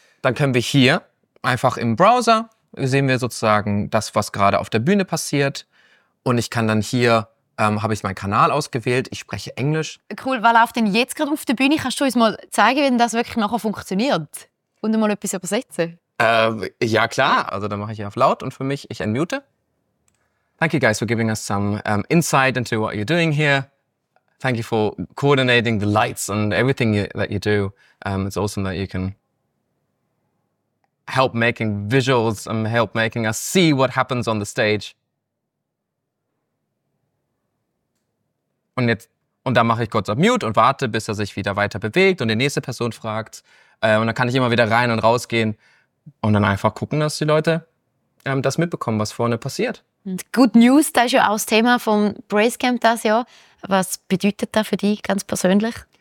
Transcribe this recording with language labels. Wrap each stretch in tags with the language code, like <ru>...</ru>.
<de>Dann können wir hier einfach im Browser, sehen wir sozusagen das, was gerade auf der Bühne passiert. Und ich kann dann hier, habe ich meinen Kanal ausgewählt, ich spreche Englisch. Cool, was läuft denn jetzt gerade auf der Bühne? Kannst du uns mal zeigen, wie denn das wirklich nachher funktioniert? Und mal etwas übersetzen? Ja, klar. Also dann mache ich auf laut und für mich, ich unmute.</de> <en>Thank you guys for giving us some insight into what you're doing here. Thank you for coordinating the lights and everything that you do. It's awesome that you can help making visuals and help making us see what happens on the stage.</en> <de>Und dann mache ich kurz auf Mute und warte, bis er sich wieder weiter bewegt und die nächste Person fragt. Und dann kann ich immer wieder rein und rausgehen und dann einfach gucken, dass die Leute das mitbekommen, was vorne passiert. Good News, das ist ja auch das Thema vom Praisecamp das Jahr. Was bedeutet das für dich ganz persönlich?</de>